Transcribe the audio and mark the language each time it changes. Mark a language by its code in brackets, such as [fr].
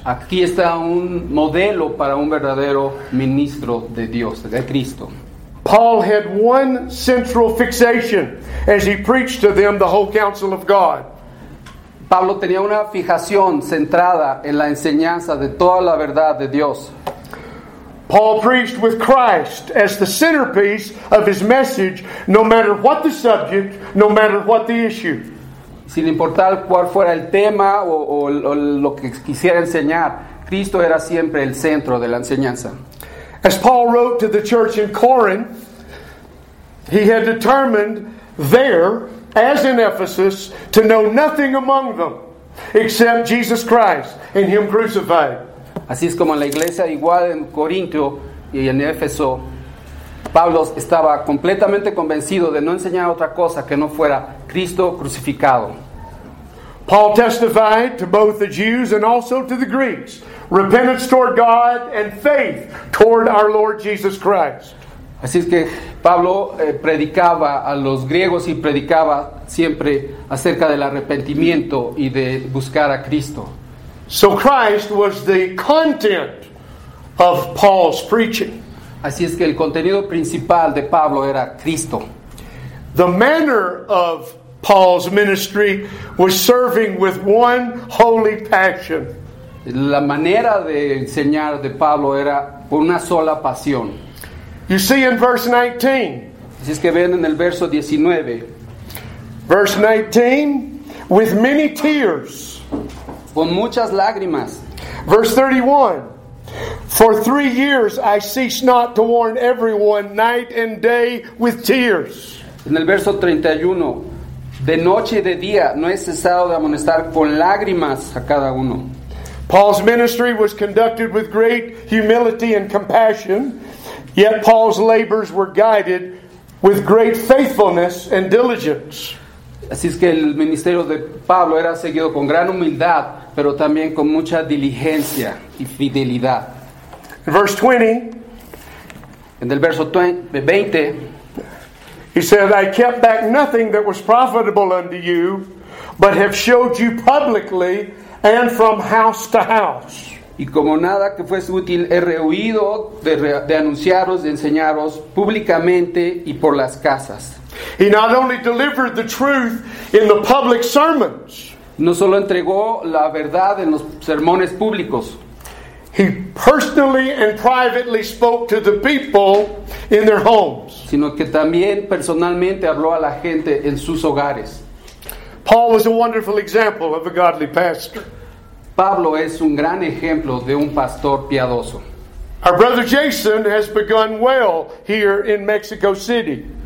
[es] Aquí está un modelo para un verdadero ministro de Dios, de Cristo. [en] Paul had one central fixation as he preached to them the whole counsel of God. [es] Pablo tenía una fijación centrada en la enseñanza de toda la verdad de Dios. [en] Paul preached with Christ as the centerpiece of his message, no matter what the subject, no matter what the issue. [es] Sin importar cuál fuera el tema o lo que quisiera enseñar, Cristo era siempre el centro de la enseñanza. [en] As Paul wrote to the church in Corinth, he had determined there, as in Ephesus, to know nothing among them except Jesus Christ and Him crucified. [es] Así es como en la iglesia, igual en Corinto y en Éfeso, Pablo estaba completamente convencido de no enseñar otra cosa que no fuera Cristo crucificado. [en] Paul testified to both the Jews and also to the Greeks, repentance toward God and faith toward our Lord Jesus Christ. [es] Así es que Pablo predicaba a los griegos y predicaba siempre acerca del arrepentimiento y de buscar a Cristo. [en] So Christ was the content of Paul's preaching. [es] Así es que el contenido principal de Pablo era Cristo. [en] The manner of Paul's ministry was serving with one holy passion. [es] La manera de enseñar de Pablo era con una sola pasión. [en] You see in verse 19. [es] Así es que ven en el verso 19. [en] Verse 19, with many tears. [es] Con muchas lágrimas. [en] Verse 31. For 3 years I cease not to warn everyone night and day with tears. [es] En el verso 31, de noche y de día no he cesado de amonestar con lágrimas a cada uno. [en] Paul's ministry was conducted with great humility and compassion, yet Paul's labors were guided with great faithfulness and diligence. [es] Así es que el ministerio de Pablo era seguido con gran humildad, pero también con mucha diligencia y fidelidad. [en] Verse 20, [es] en el verso 20, [en] he said, I kept back nothing that was profitable unto you, but have showed you publicly and from house to house. [es] Y como nada que fuese útil, he rehuido de anunciaros, de enseñaros públicamente y por las casas. [en] He not only delivered the truth in the public sermons, [es] no solo entregó la verdad en los sermones públicos. [en] He personally and privately spoke to the people in their homes. [es] Sino que también personalmente habló a la gente en sus hogares. [en] Paul was a wonderful example of a godly pastor. [es] Pablo es un gran ejemplo de un pastor piadoso. [en] Our brother Jason has begun well here in Mexico City.